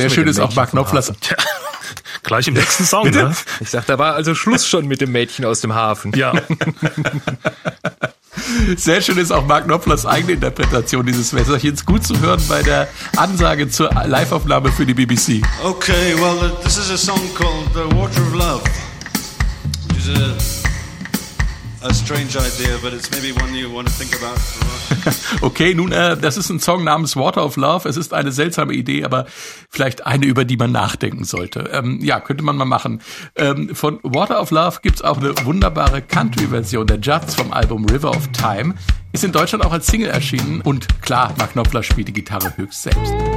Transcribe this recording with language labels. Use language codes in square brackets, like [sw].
[de] Sehr schön ist auch Mark Knopflers. Gleich im nächsten Song. Ne? Ich sag, da war also Schluss schon mit dem Mädchen aus dem Hafen. Ja. Sehr schön ist auch Mark Knopflers eigene Interpretation dieses Wässerchens gut zu hören bei der Ansage zur Liveaufnahme für die BBC. [en] Okay, well, this is a song called The Water of Love. A strange idea, but it's maybe one you want to think about. [de] Okay, nun, das ist ein Song namens Water of Love. Es ist eine seltsame Idee, aber vielleicht eine, über die man nachdenken sollte. Ja, könnte man mal machen. Von Water of Love gibt's auch eine wunderbare Country-Version der Judds vom Album River of Time. Ist in Deutschland auch als Single erschienen. Und klar, Mark Knopfler spielt die Gitarre höchst selbst.